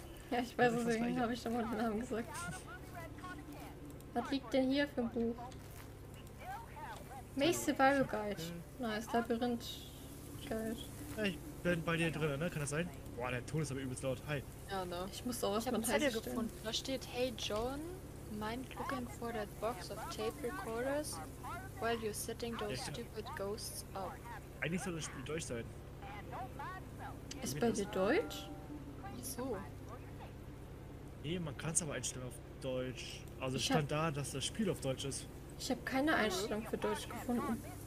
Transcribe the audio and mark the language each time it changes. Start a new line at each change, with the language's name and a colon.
German: Ja, ich weiß, deswegen habe ich schon mal den Namen gesagt. Was liegt denn hier für ein Buch?
English: Maze Survival Guide. Nice, Labyrinth Guide.
German: Hey, ich bin bei dir drin, ne? Kann das sein? Boah, der Ton ist aber übelst laut. Hi. Ja, ne? Ich muss auch was von Teil gefunden. Da steht,
English: hey John, mind looking for that box of tape recorders while you're setting those stupid ghosts up.
German: Eigentlich soll das Spiel deutsch sein. Ist bei dir deutsch? Wieso? Nee, man kann es aber einstellen auf deutsch. Also ich stand da, dass das Spiel auf deutsch ist. Ich habe keine Einstellung für deutsch gefunden.